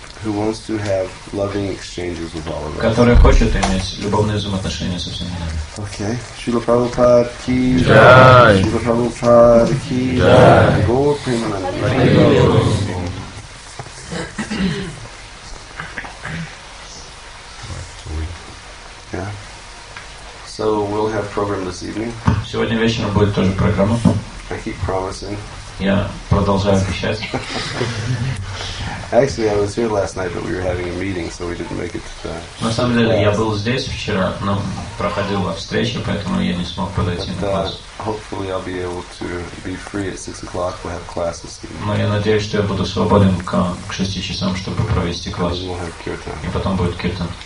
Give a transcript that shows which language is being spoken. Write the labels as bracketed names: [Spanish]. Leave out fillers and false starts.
[English] Who wants to have loving exchanges with all of us. [Russian] Которая хочет иметь любовные взаимоотношения со всеми нами. [English] Okay. Shrila Prabhupada ki [Hindi] jai. Shrila Prabhupada ki jai. Gaur Premananda. Hare Krishna. [English] So we'll have program this evening. [Russian] Сегодня вечером будет тоже программа. [English] I keep promising. [Russian] Я продолжаю обещать. [English] Actually, I was here last night, but we were having a meeting, so we didn't make it to the. [Russian] На самом деле, я был здесь вчера, но проходила встреча, поэтому я не смог подойти на класс. [English] Hopefully, I'll be able to be free at 6 o'clock. We'll have class this evening. [Russian] Но я надеюсь, что я буду свободен к 6 часам, чтобы провести класс. [English] We'll have kirtan. [Russian] И потом будет kirtan.